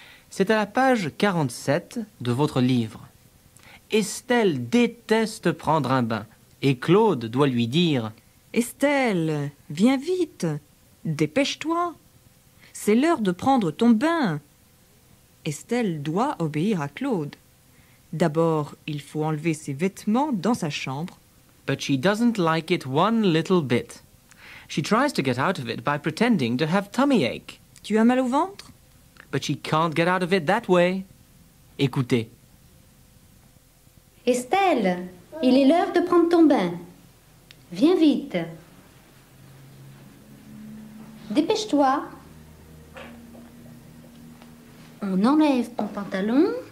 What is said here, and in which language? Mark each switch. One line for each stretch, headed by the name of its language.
French: C'est à la page 47 de votre livre. Estelle déteste prendre un bain et Claude doit lui dire « Estelle, viens vite, dépêche-toi, c'est l'heure de prendre ton bain. » Estelle doit obéir à Claude. D'abord, il faut enlever ses vêtements dans sa chambre.
English: But she doesn't like it one little bit. She tries to get out of it by pretending to have tummy ache.
French: Tu as mal au ventre?
English: But she can't get out of it that way.
French: Écoutez. Estelle, il est l'heure de prendre ton bain. Viens vite. Dépêche-toi. On enlève ton pantalon.